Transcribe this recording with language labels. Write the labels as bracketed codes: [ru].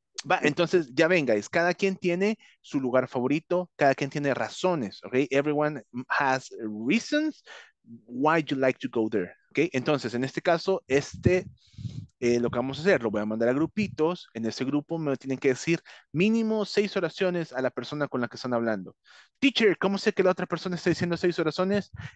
[es] Va, entonces, ya vengáis, cada quien tiene su lugar favorito, cada quien tiene razones, ¿ok? [en] Everyone has reasons why you like to go there, ¿ok? [es] Entonces, en este caso, lo que vamos a hacer, lo voy a mandar a grupitos, en ese grupo me tienen que decir mínimo 6 oraciones a la persona con la que están hablando. Teacher, ¿cómo sé que la otra persona está diciendo 6 oraciones?